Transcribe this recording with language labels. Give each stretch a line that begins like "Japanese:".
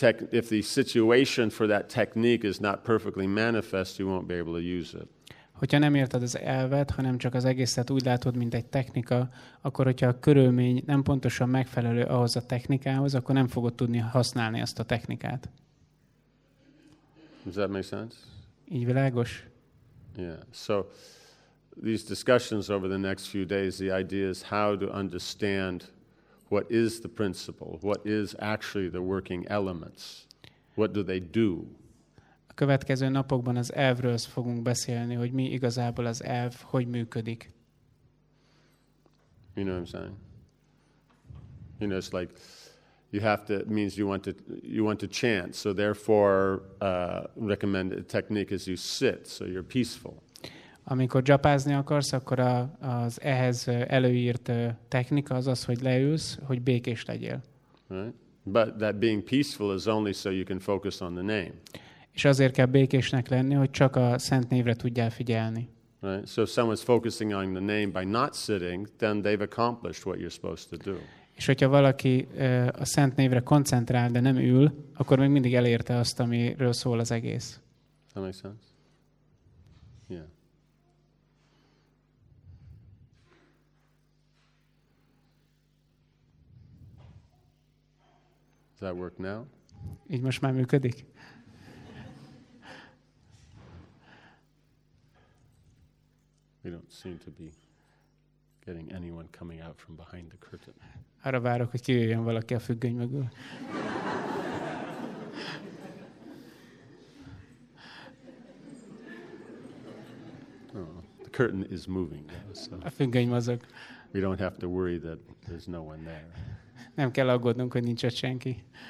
English: If the situation for that technique is not perfectly manifest, you won't be able to use it.
Hungarian: Hogyha nem érted az elvet, hanem csak az egészet úgy látod, mint egy technika, akkor hogyha a körülmény nem pontosan megfelelő ahhoz a technikához, akkor nem fogod tudni használni azt a technikát.
English: Does that make sense?
Hungarian: Így világos?
English: Yeah. So these discussions over the next few days, the idea is how to understand what is the principle? What is actually the working elements? What do they do?
Hungarian: A következő napokban az elvről fogunk beszélni, hogy mi igazából az elv, hogy működik.
English: You know what I'm saying? You know, it's like you have to, it means you want to chant, so therefore recommend a technique as you sit, so you're peaceful.
Hungarian: Amikor japázni akarsz, akkor az ehhez előírt technika az, hogy leülsz, hogy békés legyél.
English: Right. But that being peaceful is only so you can focus on the name.
Hungarian: És azért kell békésnek lenni, hogy csak a szent névre tudjál figyelni.
English: Right. So if someone's focusing on the name by not sitting, then they've accomplished what you're supposed to do.
Hungarian: És hogyha valaki a szent névre koncentrál, de nem ül, akkor még mindig elérte azt, amiről szól az egész.
English: That makes sense? Yeah. Does that work now?
Hungarian: Így most már működik.
English: We don't seem to be getting anyone coming out from behind the curtain.
Hungarian: Arra várok, hogy kijöjjön valaki a függöny mögül.
English: Oh, the curtain is moving. So
Hungarian: a függöny mozog.
English: We don't have to worry that there's no one there.
Hungarian: Nem kell aggódnunk, hogy nincs ott senki.